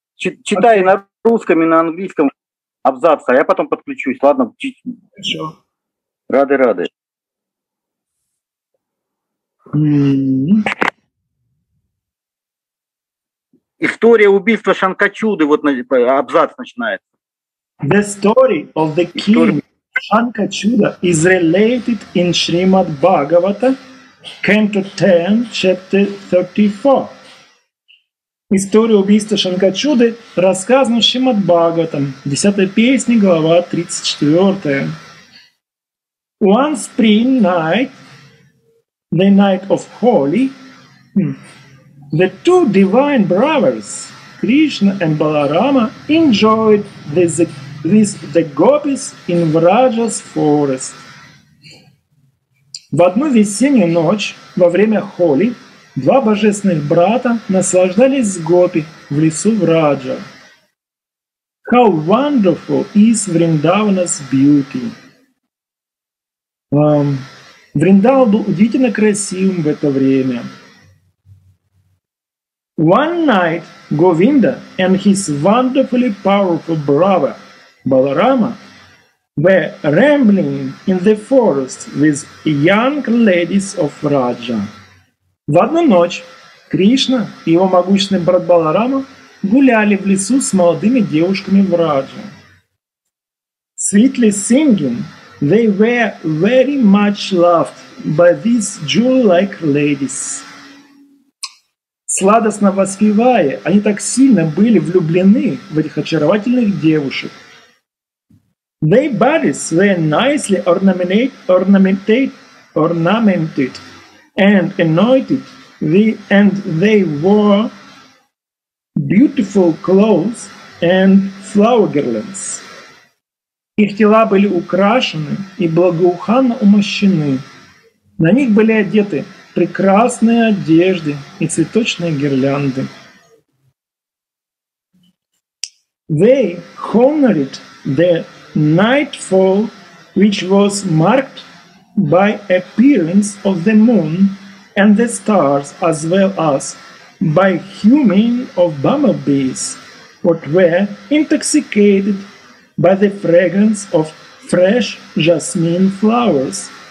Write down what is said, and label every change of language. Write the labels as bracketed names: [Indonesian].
[Russian] Читай на русском и на английском абзац, а я потом подключусь. Ладно, рады, рады. История убийства Шанкачуды, вот абзац начинается. [English] The story of the king Shankachuda is related in Srimad Bhagavata, Canto 10, Chapter 34. [Russian] История убийства Шанкачуды рассказана Шримад Бхагаватам, 10 песня, глава 34. [English] One spring night, the night of Holi, the two divine brothers, Krishna and Balarama, enjoyed the gopis in Vraja's forest. [Russian] В одну весеннюю ночь во время Холи два божественных брата наслаждались с гопи в лесу Враджа. [English] How wonderful is Vrindavana's beauty! [Russian] Вриндаван был удивительно красивым в это время. [English] One night, Govinda and his wonderfully powerful brother, Balarama, were rambling in the forest with young ladies of Raja. [Russian] В одну ночь Кришна и его могущественный брат Баларама гуляли в лесу с молодыми девушками в Раджа. [English] Sweetly singing, they were very much loved by these jewel-like ladies. [Russian] Сладостно воспевая, они так сильно были влюблены в этих очаровательных девушек. [English] Their bodies were nicely ornamented and anointed, and they wore beautiful clothes and flower garlands. [Russian] Их тела были украшены и благоуханно умощены. На них были одеты прекрасные одежды и цветочные гирлянды. [English] They honored the nightfall, which was marked by appearance of the moon and the stars, as well as by humming of bumblebees, what were intoxicated by the fragrance of fresh jasmine flowers,